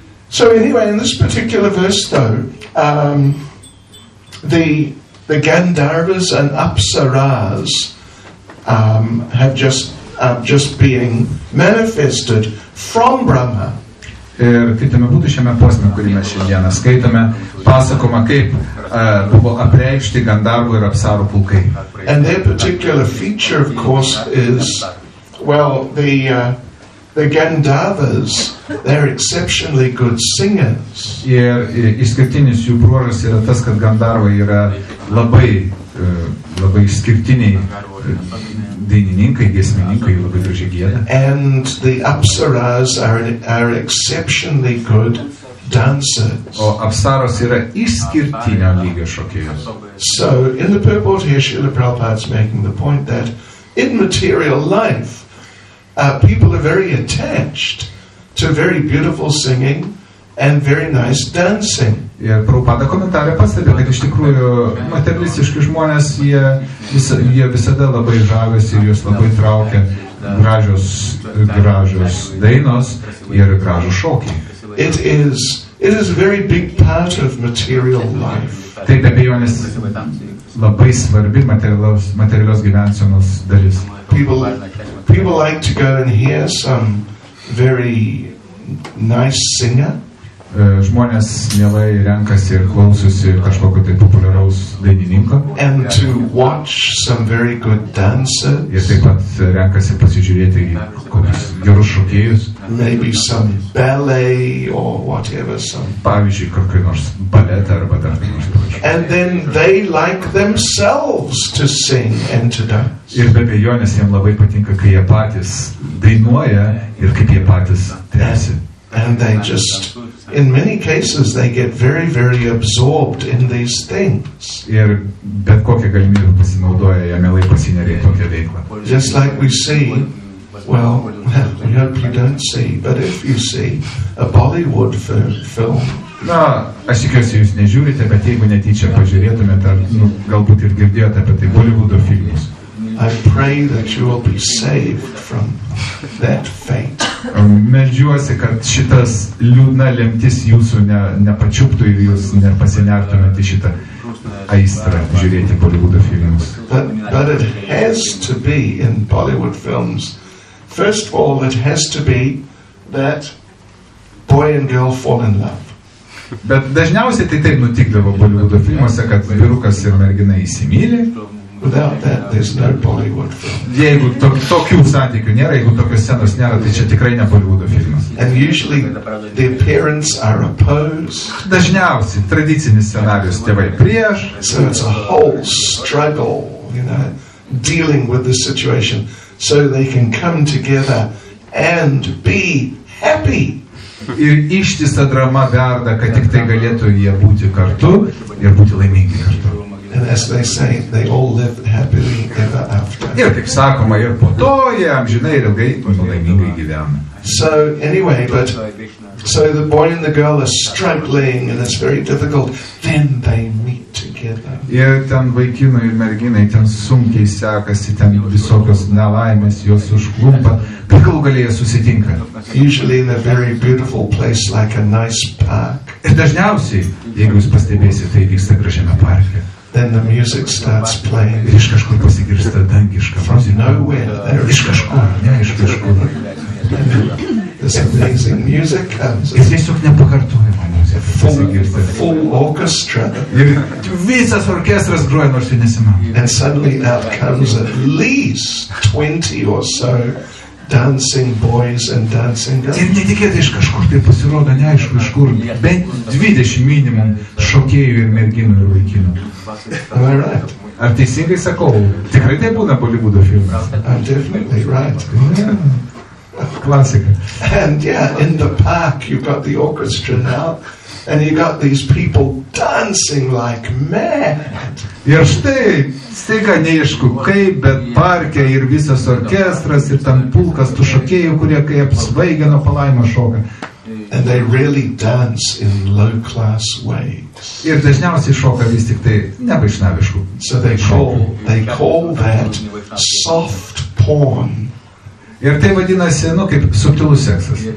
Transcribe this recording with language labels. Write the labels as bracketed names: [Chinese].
[English] So anyway, in this particular verse though, the Gandharvas and Apsaras have just being manifested from Brahma. [Lithuanian] Ir kitame būtų šiame posme, kurį mes šiandieną skaitome, pasakoma, kaip buvo apreikšti Gandharvų ir Apsarų pulkai. [English] And their particular feature, of course, is, well, the Gandharvas, they're exceptionally good singers. [Lithuanian] Ir išskirtinis jų bruožas yra tas, kad Gandharvai yra labai labai išskirtiniai dainininkai, giesmininkai, labai gražiai gieda. [English] And the Apsaras are exceptionally good dancers. [Lithuanian] O Apsaras yra išskirtinio lygio šokėjos. [English] So in the purport here, Srila Prabhupada's making the point that in material life, people are very attached to very beautiful singing and very nice dancing. [Lithuanian] Ir Prabhupada komentarė pastebė, kad iš tikrųjų materialistiški žmonės, jie visada labai žavėsi ir jos labai traukia gražios dainos ir gražų šokį. [English] It is a very big part of material life. [Lithuanian] Taip abejonės labai svarbi materialios gyvensenos dalis. [English] People like to go and hear some very nice singer. [Lithuanian] Žmonės mielai renkasi ir klausosi kažkokio tai populiaraus dainininko. [English] And to watch some very good dancers. [Lithuanian] Ir taip pat renkasi pasižiūrėti į kokius gerus šokėjus. [English] Maybe some ballet or whatever. Some. [Lithuanian] Pavyzdžiui, kokį nors baletą arba dar kokį nors. [English] And then they like themselves to sing and to dance. [Lithuanian] Ir be abejonės jiems labai patinka, kai jie patys dainuoja ir kaip jie patys tęsi. [English] And they just, in many cases, they get very, very absorbed in these things. [Lithuanian] Ir bet kokią galimybę pasinaudoja, jie mielai pasineria į tokią veiklą. [English] Just like we see Well, we hope you don't see, but if you see a Bollywood film. [Lithuanian] Na, aš tikiuosi, jūs nežiūrite, bet jeigu netyčia pažiūrėtumėte, ar nu, galbūt ir girdėjote apie tai Bollywoodo filmus. [English] I pray that you will be saved from that fate. [Lithuanian] Meldžiuosi, kad šitas liūdna lemtis jūsų nepačiuptų ir jūs nepasinertumėte šitą aistrą žiūrėti Bollywoodo filmus. [English] But it has to be in Bollywood films. First of all, it has to be that boy and girl fall in love. [Lithuanian] Bet dažniausiai tai taip nutikdavo Bollywoodo filmuose, kad vyrukas ir mergina įsimylė. [English] Without that, there's no Bollywood film. [Lithuanian] Jeigu tokių santykių nėra, jeigu tokios scenos nėra, tai čia tikrai ne Bollywoodo filmas. [English] And usually the parents are opposed. [Lithuanian] Dažniausiai tradicinis scenarijus tėvai prieš. [English] So it's a whole struggle, you know, dealing with the situation so they can come together and be happy. [Lithuanian] Ir ištisa drama verda, kad tik tai galėtų jie būti kartu ir būti laimingi kartu. [English] And as they say, they all live happily ever after. [Lithuanian] Ir taip sakoma, ir po to jie amžinai ir ilgai laimingai gyvena. [English] So anyway, but so the boy and the girl are struggling and it's very difficult. Then they meet together. [Lithuanian] Ir ten vaikinai ir merginai ten sunkiai sekasi, ten visokios nelaimės jos užklumpa. Galų gale jie susitinka. [English] Usually in a very beautiful place like a nice park. [Lithuanian] Ir dažniausiai, jeigu jūs pastebėsite, tai vyksta gražiame parke. [English] Then the music starts playing. [Lithuanian] Ir iš kažkur pasigirsta dangiška muzika. Iš kažkur, ne iš kažkur. [English] This amazing music comes. [Lithuanian] Ir tiesiog nepakartojama muzika. [English] Full orchestra. [Lithuanian] Ir visas orkestras groja, nors jis nesimato. [English] And suddenly out comes at least 20 or so dancing boys and dancing girls. [Lithuanian] Ir netikėtai iš kažkur tai pasirodo, neaišku iš kur, bent 20 minimum šokėjų ir merginų ir vaikinų. [English] Am I right? [Lithuanian] Ar teisingai sakau? Tikrai tai būna Bollywoodo filmas. [English] I'm definitely right. [Lithuanian] Klasika. [English] And yeah, in the park you've got the orchestra now and you got these people dancing like mad. [Lithuanian] Ir štai, staiga neaišku kaip, bet parke ir visas orkestras ir tam pulkas tų šokėjų, kurie kai apsvaigia nuo palaimo šoka. [English] And they really dance in low class ways. [Lithuanian] Ir dažniausiai šoka vis tik tai nebaišnaviškų. [English] So they call that soft porn. [Lithuanian] Ir tai vadinasi, nu, kaip subtilus seksas.